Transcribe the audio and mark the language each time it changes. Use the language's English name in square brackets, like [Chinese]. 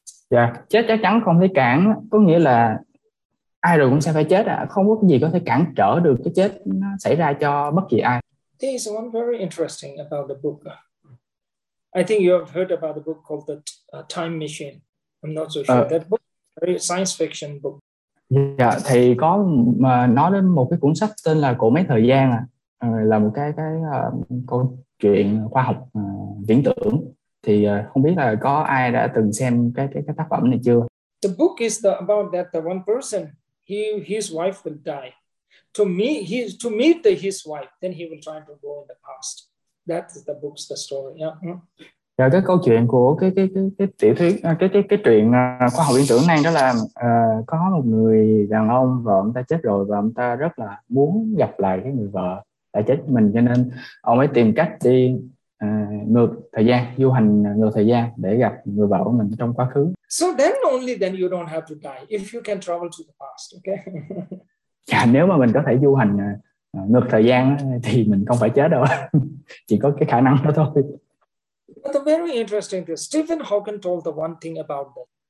[Vietnamese] Dạ, chết chắc chắn không thể cản có nghĩa là ai rồi cũng sẽ phải chết, không có cái gì có thể cản trở được cái chết nó xảy ra cho bất kỳ ai. [English] This is one very interesting about the book. I think you have heard about the book called The Time Machine. I'm not so sure. That book is a very science fiction book. [Vietnamese] Dạ, thì có mà nói đến một cái cuốn sách tên là Cổ Máy Thời Gian à, là một cái câu chuyện khoa học viễn tưởng. Thì không biết là có ai đã từng xem cái tác phẩm này chưa? [English] The book is the, about that the one person, he his wife will die. To meet his wife, then he will try to go in the past. That is the book's the story. Yeah. [Vietnamese] Dạ, cái câu chuyện của cái tiểu thuyết cái truyện khoa học viễn tưởng này đó là có một người đàn ông, vợ ông ta chết rồi và ông ta rất là muốn gặp lại cái người vợ đã chết mình, cho nên ông ấy tìm cách đi ngược thời gian, du hành ngược thời gian để gặp người vợ của mình trong quá khứ. [English] So then only then you don't have to die if you can travel to the past, okay? [Vietnamese] Dạ, nếu mà mình có thể du hành ngược thời gian thì mình không phải chết đâu. Chỉ có cái khả năng đó thôi. [English] But the very interesting thing, Stephen Hawking told the one thing about that.